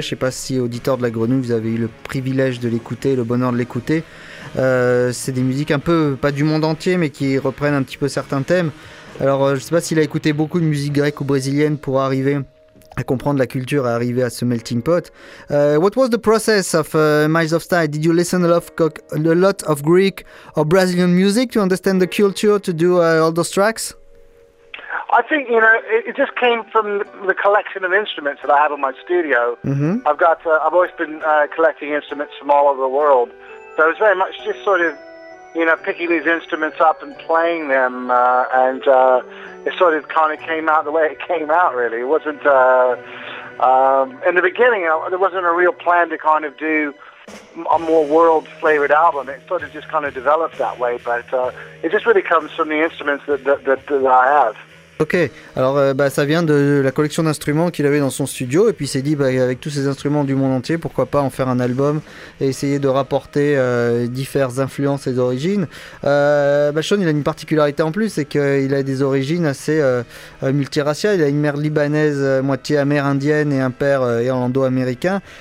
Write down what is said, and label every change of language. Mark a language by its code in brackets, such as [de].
[fr] Je ne sais pas si, auditeurs de la Grenouille, vous avez eu le privilège de l'écouter, le bonheur de l'écouter. C'est des musiques un peu, pas du monde entier, mais qui reprennent un petit peu certains thèmes. Alors, je ne sais pas s'il a écouté beaucoup de musique grecque ou brésilienne pour arriver à comprendre la culture, à arriver à ce melting pot. [en] What was the process of Miles of Style? Did you listen a lot of Greek or Brazilian music to understand the culture to do all those tracks? I think, you know, it just came from the collection of instruments that I have in my studio. Mm-hmm. I've always been collecting instruments from all over the world. So it was very much just sort of, you know, picking these instruments up and playing them, it sort of kind of came out the way it came out, really. It wasn't, in the beginning, there wasn't a real plan to kind of do a more world-flavored album. It sort of just kind of developed that way, but it just really comes from the instruments that I have. [fr] Ok, alors ça vient de la collection d'instruments qu'il avait dans son studio, et puis il s'est dit avec tous ces instruments du monde entier, pourquoi pas en faire un album et essayer de rapporter diverses influences et origines. Sean, il a une particularité en plus, c'est qu'il a des origines assez multiraciales. Il a une mère libanaise, moitié amérindienne, et un père irlando-américain.